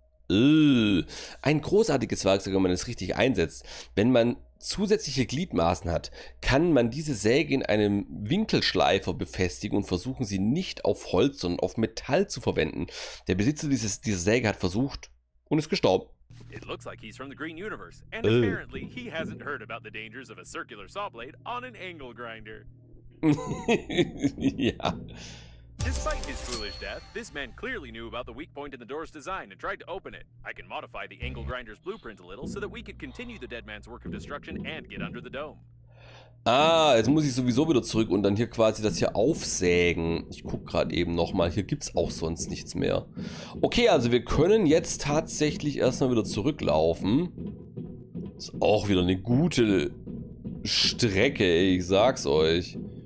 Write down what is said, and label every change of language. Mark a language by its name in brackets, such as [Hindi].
[German] Ein großartiges Werkzeug, wenn man es richtig einsetzt. Wenn man zusätzliche Gliedmaßen hat, kann man diese Säge in einem Winkelschleifer befestigen und versuchen, sie nicht auf Holz, sondern auf Metall zu verwenden. Der Besitzer dieser Säge hat versucht und ist gestorben. [English] It looks like he's from the green universe, and apparently he hasn't heard about the dangers of a circular saw blade on an angle grinder. [German] Ja. [English] Despite his foolish death, this man clearly knew about the weak point in the door's design and tried to open it. I can modify the angle grinder's blueprint a little so that we could continue the dead man's work of destruction and get under the dome. [German] Ah, jetzt muss ich sowieso wieder zurück und dann hier quasi das hier aufsägen. Ich guck gerade eben nochmal, hier gibt's auch sonst nichts mehr. Okay, also wir können jetzt tatsächlich erstmal wieder zurücklaufen. Ist auch wieder eine gute Strecke, ey, ich sag's euch.